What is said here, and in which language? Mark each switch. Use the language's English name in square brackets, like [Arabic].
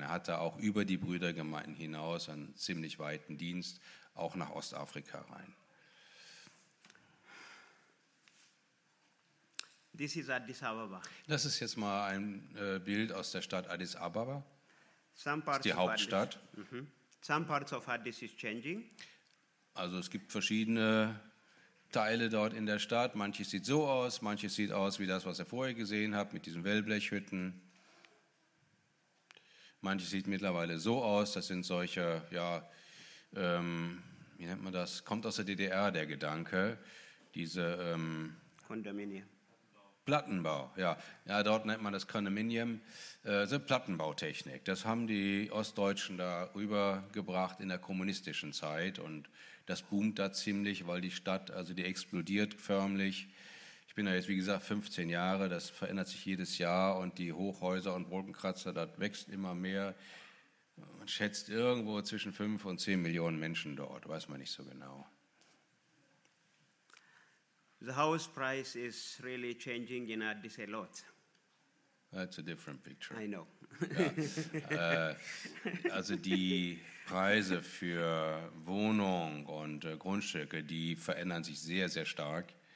[German] Er hatte auch über die Brüdergemeinden hinaus einen ziemlich weiten Dienst, auch nach Ostafrika rein. [English] This is Addis Ababa. [German] Das ist jetzt mal ein Bild aus der Stadt Addis Ababa. [English] Some parts [German] ist die Hauptstadt. Mm-hmm. [English] Some parts of Addis is changing. [German] Also es gibt verschiedene Teile dort in der Stadt. Manches sieht so aus, manches sieht aus wie das, was ihr vorher gesehen habt, mit diesen Wellblechhütten. Manches sieht mittlerweile so aus, das sind solche, ja, wie nennt man das? Kommt aus der DDR, der Gedanke. Diese Kondominium. Plattenbau, ja. Ja, dort nennt man das Kondominium, so Plattenbautechnik. Das haben die Ostdeutschen da rübergebracht in der kommunistischen Zeit und das boomt da ziemlich, weil die Stadt, also die explodiert förmlich. Ich bin da jetzt, wie gesagt, 15 Jahre, das verändert sich jedes Jahr und die Hochhäuser und Wolkenkratzer, das wächst immer mehr. Man schätzt irgendwo zwischen 5 und 10 Millionen Menschen dort, weiß man nicht so genau. [English] The house price is really changing in Addis a lot. That's a different picture. I know. [German] Ja. Also die Preise für Wohnung und Grundstücke, die verändern sich sehr, sehr stark.